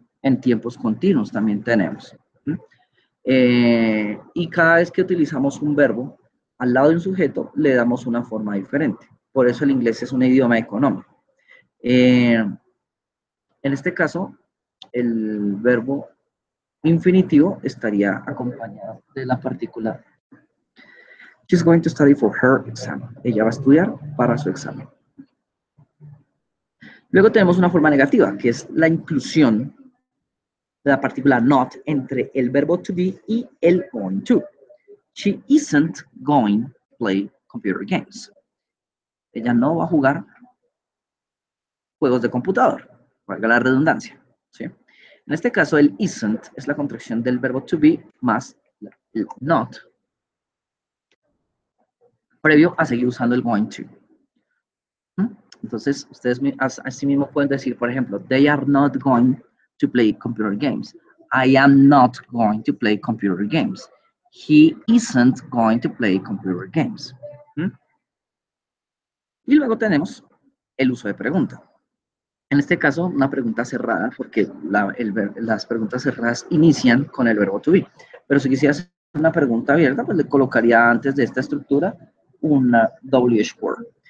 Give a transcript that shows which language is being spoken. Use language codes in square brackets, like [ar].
[es] En tiempos continuos también tenemos. Y cada vez que utilizamos un verbo al lado de un sujeto, le damos una forma diferente. Por eso el inglés es un idioma económico. En este caso, el verbo infinitivo estaría acompañado de la partícula. [en] She's going to study for her exam. [es] Ella va a estudiar para su examen. Luego tenemos una forma negativa, que es la inclusión de la partícula not entre el verbo to be y el going to. [en] She isn't going to play computer games. [es] Ella no va a jugar juegos de computador, valga la redundancia, ¿sí? En este caso, el isn't es la contracción del verbo to be más el not, previo a seguir usando el going to. Entonces, ustedes así mismo pueden decir, por ejemplo, [en] they are not going to play computer games. I am not going to play computer games. He isn't going to play computer games. [es] Y luego tenemos el uso de pregunta. En este caso, una pregunta cerrada, porque las preguntas cerradas inician con el verbo to be. Pero si quisiera hacer una pregunta abierta, pues le colocaría antes de esta estructura una WH word.